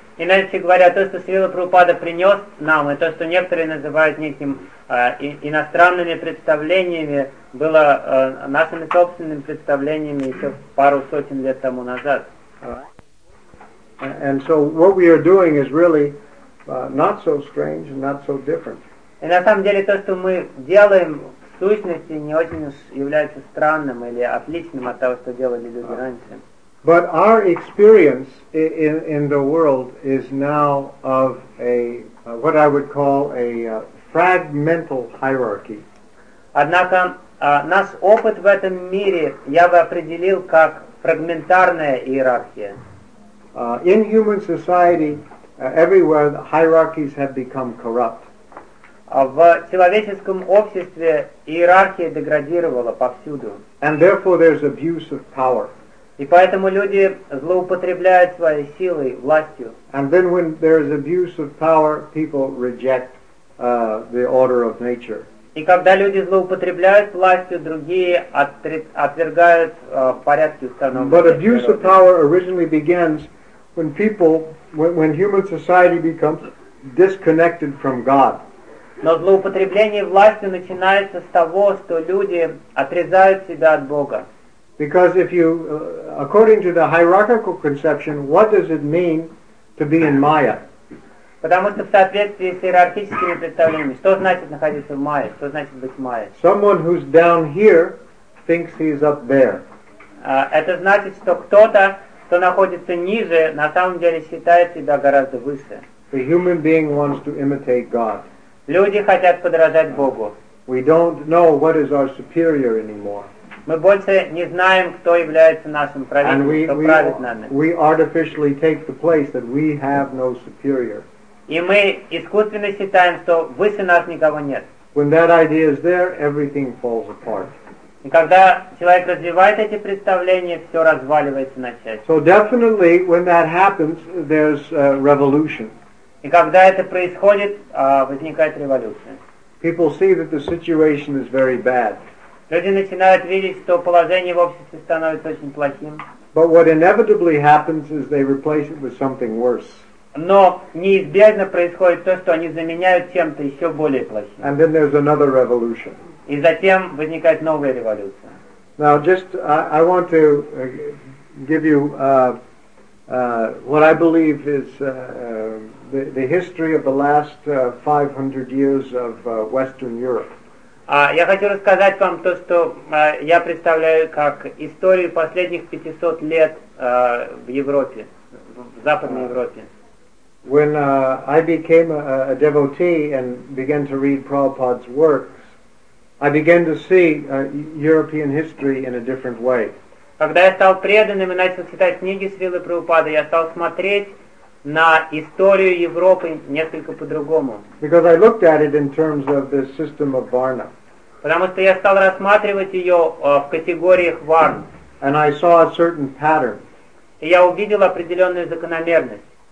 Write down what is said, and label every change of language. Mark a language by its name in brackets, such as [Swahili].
[Russian] Иначе говоря, то, что Шрила Прабхупада принес нам, и то, что некоторые называют неким иностранными представлениями, было нашими собственными представлениями еще пару сотен лет тому назад. [English] And so what we are doing is really not so strange and not so different. [Russian] И на самом деле то, что мы делаем, в сущности, не очень уж является странным или отличным от того, что делали люди раньше. [English] But our experience in the world is now of what I would call a fragmental hierarchy. [Russian] Однако наш опыт в этом мире я бы определил как фрагментарная иерархия. [English] In human society, everywhere the hierarchies have become corrupt. [Russian] В человеческом обществе иерархия деградировала повсюду. [English] And therefore there's abuse of power. [Russian] И поэтому люди злоупотребляют своей силой, властью. [English] And then when there is abuse of power, people reject the order of nature. [Russian] И когда люди злоупотребляют властью, другие отвергают порядки установленные природой. [English] But abuse of power originally begins when people, when human society becomes disconnected from God. [Russian] Но злоупотребление властью начинается с того, что люди отрезают себя от Бога. [English] Because if you, according to the hierarchical conception, what does it mean to be in Maya? [Russian] Потому что в соответствии с иерархическими представлениями, что значит находиться в Майе, что значит быть в Майе? [English] Someone who's down here thinks he's up there. [Russian] Это значит, что кто-то, кто находится ниже, на самом деле считает себя гораздо выше. [English] The human being wants to imitate God. [Russian] Люди хотят подражать Богу. [English] We don't know what is our superior anymore. [Russian] Мы больше не знаем, кто является нашим правителем, кто правит нами. И мы искусственно считаем, что выше нас никого нет. [English] When that idea is there, everything falls apart. [Russian] И когда человек развивает эти представления, все разваливается на части. [English] So definitely, when that happens, there's a revolution. [Russian] И когда это происходит, возникает революция. [English] People see that the situation is very bad. [Russian] Люди начинают видеть, что положение в обществе становится очень плохим. [English] But what inevitably happens is they replace it with something worse. [Russian] Но неизбежно происходит то, что они заменяют чем-то еще более плохим. [English] And then there's another revolution. [Russian] И затем возникает новая революция. [English] Now just I want to give you what I believe is the history of the last 500 years of Western Europe. [Russian] Я хочу рассказать вам то, что я представляю как историю последних 500 лет в Европе, в Западной Европе. [English] When I became a devotee and began to read Prabhupada's works, I began to see European history in a different way. [Russian] Когда я стал преданным и начал читать книги Шрилы Прабхупады, я стал смотреть на историю Европы несколько по-другому. [English] Because I looked at it in terms of the system of Varna. [Russian] Потому что я стал рассматривать ее в категориях варн. [English] And I saw a certain pattern. [Russian] И я увидел определенную закономерность.